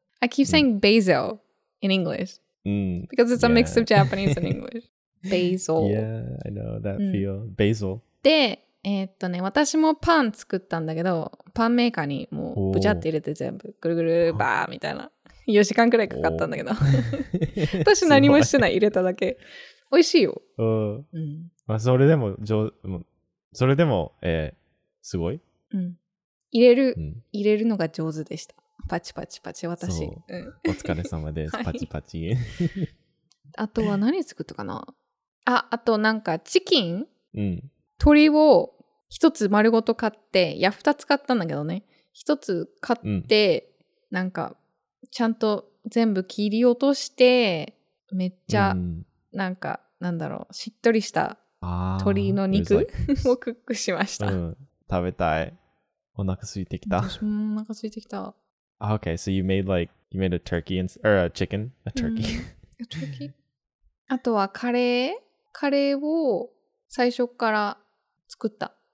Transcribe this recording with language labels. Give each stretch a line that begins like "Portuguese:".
English: I keep saying basil in English.、Because it's a、 yeah. mix of Japanese and English. Basil. Yeah, I know that feel.、Basil.
Japanese: で、ね、私もパン作ったんだけど、パンメーカーにもうブチャって入れて全部ぐるぐるバーみたいな。 4時間くらいかかったんだけど。私何もしてない、入れただけ。美味しいよ。まあ、それでも、それでも、すごい、入れるのが上手でした。パチパチパチ、私。そう、お疲れ様です。はい、パチパチ。あとは何作ったかな？あとなんか、チキン、うん、鶏を一つ丸ごと買って、いや、二つ買ったんだけどね。一つ買って、うん、なんか、ちゃんと全部切り落として、めっちゃ、なんか、なんだろう、しっとりした、鶏の肉をクックしました、食べたい。お腹空いてきた。私もお腹空いてきた。
English: Ah, okay, so you made like, you made a turkey, and, or a chicken, a turkey. A turkey.
Japanese: あとはカレー。カレーを最初から作った。